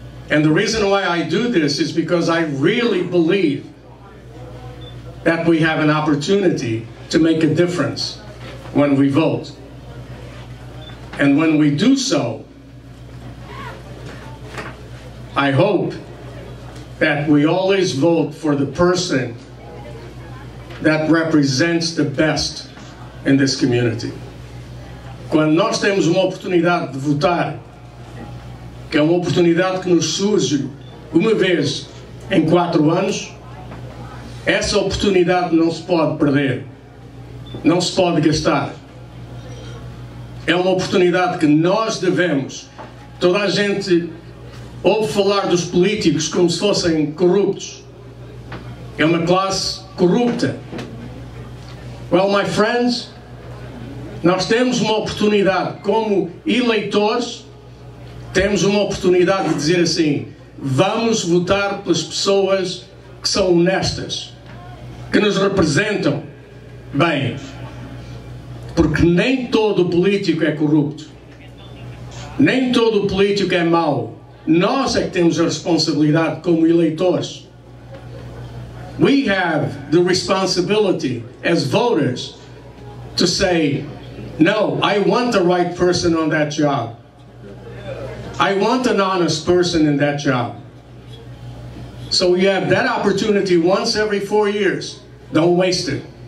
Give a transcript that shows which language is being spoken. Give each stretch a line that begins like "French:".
English: And the reason why I do this is because I really believe that we have an opportunity to make a difference when we vote. And when we do so, I hope that we always vote for the person that represents the best in this community.
Portuguese: Quando nós temos uma oportunidade de votar, que é uma oportunidade que nos surge uma vez em 4 anos, essa oportunidade não se pode perder, não se pode gastar. É uma oportunidade que nós devemos. Toda a gente ouve falar dos políticos como se fossem corruptos. É uma classe corrupta.
English: Well, my friends,
Portuguese: nós temos uma oportunidade, como eleitores, temos uma oportunidade de dizer assim: vamos votar pelas pessoas que são honestas, que nos representam bem. Porque nem todo político é corrupto. Nem todo político é mau. Nós é que temos a responsabilidade como eleitores.
English: We have the responsibility as voters to say, no, I want the right person on that job. I want an honest person in that job. So you have that opportunity once every 4 years. Don't waste it.